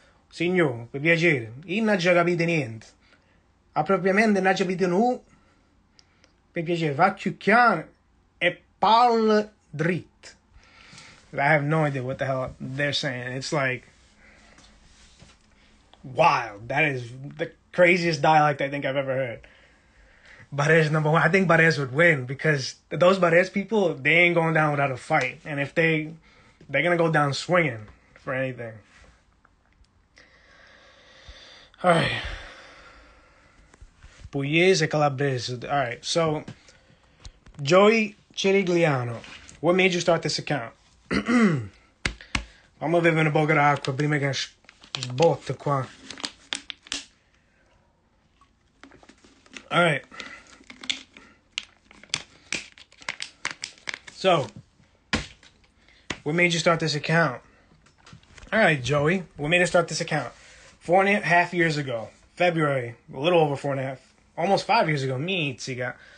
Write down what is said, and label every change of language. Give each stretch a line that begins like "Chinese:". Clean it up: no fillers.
Italian: Signor, per piacere, io non ho capito niente. A propriamente non ho capito nulla. Per piacere, va più chiaro e parla dritto.
English: I have no idea what the hell they're saying. It's like wild. That is the craziest dialect I think I've ever heard. Barese number one. I think Barese would win because those Barese people, they ain't going down without a fight. And if they're going to go down swinging for anything. All right, Pugliese e Calabrese. All right, so Joey Cerigliano, what made you start this account?
Italian: Vamo a bere un po' d'acqua prima che sbotto qua.
English: All right, so what made you start this account? All right, Joey, what made you start this account? 4.5 years ago, February, a little over 4.5, almost 5 years ago, me, Tsiga.